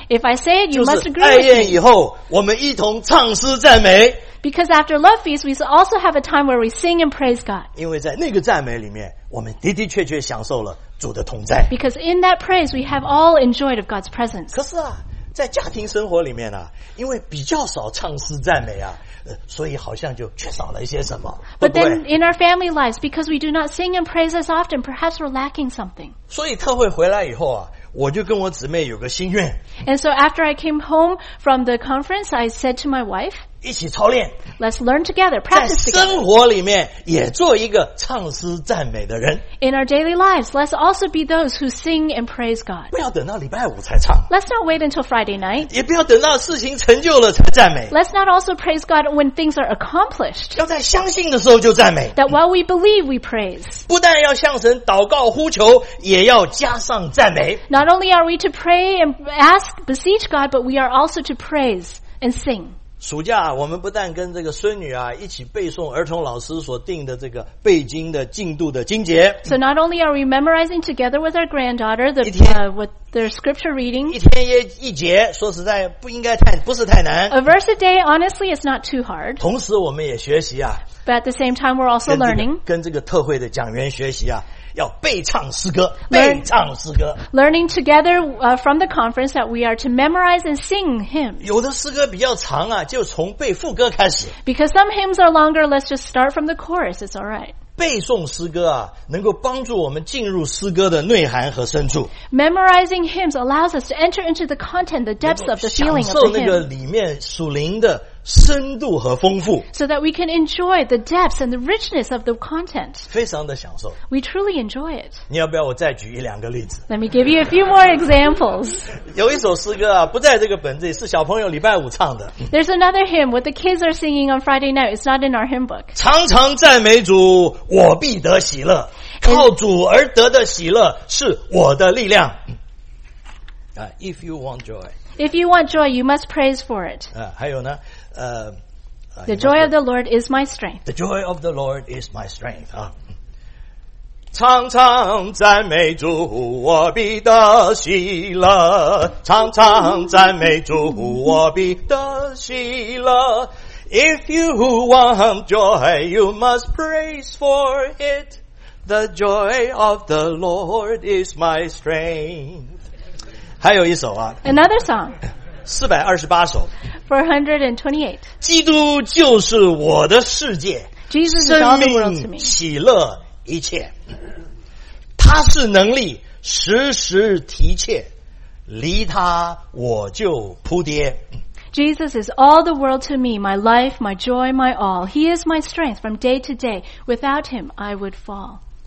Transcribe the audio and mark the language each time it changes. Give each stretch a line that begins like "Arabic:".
English: If I say it, you must agree with me.
Chinese: 就是爱宴以后，我们一同唱诗赞美。
English: Because after love feast, we also have a time where we sing and praise God.
Chinese: 因为在那个赞美里面，我们的的确确享受了主的同在。
English: Because in that praise, we have all enjoyed of God's presence.
Chinese: 可是啊，在家庭生活里面啊，因为比较少唱诗赞美啊，所以好像就缺少了一些什么。
English: But then in our family lives, because we do not sing and praise as often, perhaps we're lacking something.
Chinese: 所以特会回来以后啊。我就跟我姊妹有个心愿。
English: And so after I came home from the conference, I said to my wife,
Chinese: 一起操练。
English: Let's learn together, practice together.
Chinese: 在生活里面也做一个唱诗赞美的人。
English: In our daily lives, let's also be those who sing and praise God.
Chinese: 不要等到礼拜五才唱。
English: Let's not wait until Friday night.
Chinese: 也不要等到事情成就了才赞美。
English: Let's not also praise God when things are accomplished.
Chinese: 要在相信的时候就赞美。
English: That while we believe, we praise.
Chinese: 不但要向神祷告呼求，也要加上赞美。
English: Not only are we to pray and ask, beseech God, but we are also to praise and sing.
Chinese: 暑假我们不但跟这个孙女啊一起背诵儿童老师所定的这个背经的进度的经节。
English: So not only are we memorizing together with our granddaughter the, with their scripture reading.
Chinese: 一天也一节，说实在不应该太，不是太难。
English: A verse a day, honestly, is not too hard.
Chinese: 同时我们也学习啊
English: But at the same time, we're also learning.
Chinese: 跟这个特会的讲员学习啊，要背唱诗歌，背唱诗歌。
English: Learning together, from the conference that we are to memorize and sing hymns.
Chinese: 有的诗歌比较长啊，就从背副歌开始。
English: Because some hymns are longer, let's just start from the chorus. It's all right.
Chinese: 背诵诗歌啊，能够帮助我们进入诗歌的内涵和深处。
English: Memorizing hymns allows us to enter into the content, the depths of the feeling of the hymn.
Chinese: 享受那个里面属灵的深度和丰富。
English: So that we can enjoy the depths and the richness of the content.
Chinese: 非常的享受。
English: We truly enjoy it.
Chinese: 你要不要我再举一两个例子？
English: Let me give you a few more examples.
Chinese: 有一首诗歌啊，不在这个本子里，是小朋友礼拜五唱的。
English: There's another hymn what the kids are singing on Friday night. It's not in our hymn book.
Chinese: 常常赞美主，我必得喜乐。靠主而得的喜乐是我的力量。
English: If you want joy. If you want joy, you must praise for it.
Chinese: 还有呢
English: the joy of the Lord is my strength. The joy of the Lord is my strength.
Chinese: 常常赞美主，我必得喜乐。常常赞美主，我必得喜乐。
English: If you want joy, you must praise for it. The joy of the Lord is my strength.
Chinese: 还有一首啊
English: ，Another song.
Chinese: 428首。
English: 428.
Chinese: 基督就是我的世界
English: Jesus is the world to me.
Chinese: 生命喜乐一切他是能力时时提切离他我就扑跌
English: Jesus is all the world to me. My life, my joy, my all. He is my strength from day to day. Without him, I would fall.